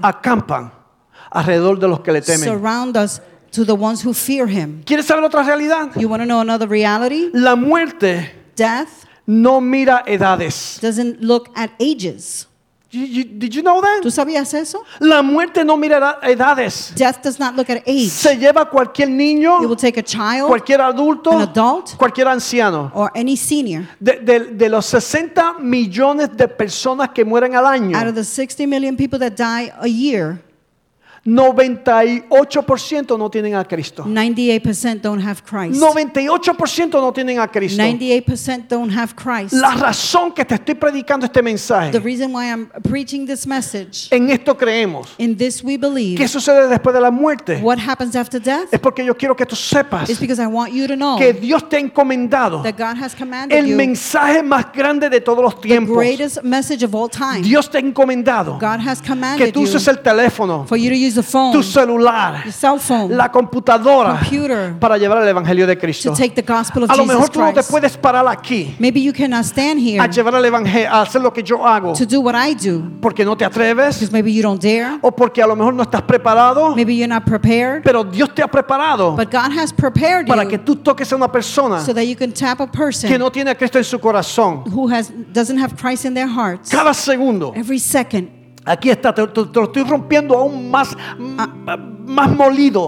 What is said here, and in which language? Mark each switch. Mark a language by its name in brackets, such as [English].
[Spanish] acampan alrededor de los que le temen. [English] Surround us to the ones who fear him. [Spanish] ¿Quieres saber otra realidad? [English] You want to know another reality? [Spanish] La muerte, [English] death, [Spanish] no mira edades. [English] Doesn't look at ages. Did you know that? [Spanish] ¿Tú sabías eso? La muerte no mira edades. [English] Death does not look at age. [Spanish] Se lleva cualquier niño, [English] it will take a child, [Spanish] cualquier adulto, [English] an adult, [Spanish] cualquier anciano, [English] or any senior. [Spanish] De los 60 millones de personas que mueren al año, [English] out of the 60 million people that die a year, [Spanish] 98% no tienen a Cristo. [English] 98% don't have Christ. [Spanish] 98% no tienen a Cristo. [English] 98% don't have Christ. [Spanish] La razón que te estoy predicando este mensaje. [English] The reason why I'm preaching this message. [Spanish] En esto creemos. [English] In this we believe. [Spanish] ¿Qué sucede después de la muerte? [English] What happens after death? [Spanish] Es porque yo quiero que tú sepas. [English] It's because I want you to know. [Spanish] Que Dios te ha encomendado. [English] That God has commanded you. [Spanish] El mensaje más grande de todos los tiempos. [English] The greatest message of all time. [Spanish] Dios te ha encomendado. [English] God has commanded [Spanish] que tú uses [English] you [Spanish] el teléfono. [English] For you to use the phone, [Spanish] tu celular, [English] your cell phone, [Spanish] la computadora, [English] computer, [Spanish] para llevar el evangelio de Cristo. [English] To take the gospel of [Spanish] a lo [English] Jesus [Spanish] mejor tú [English] Christ. [Spanish] No te puedes parar aquí. [English] Maybe you cannot stand here. [Spanish] A llevar el evangelio, a hacer lo que yo hago. [English] To do what I do. [Spanish] Porque no te atreves. [English] Because maybe you don't dare. [Spanish] O porque a lo mejor no estás preparado. [English] Maybe you're not prepared. [Spanish] Pero Dios te ha preparado. [English] But God has prepared [Spanish] para [English] you [Spanish] que tú toques a una persona. [English] So that you can tap a person [Spanish] que no tiene a Cristo en su corazón. [English] Who doesn't have Christ in their hearts. [Spanish] Cada segundo. [English] Every second. [Spanish] Aquí está, te lo estoy rompiendo aún más, más molido.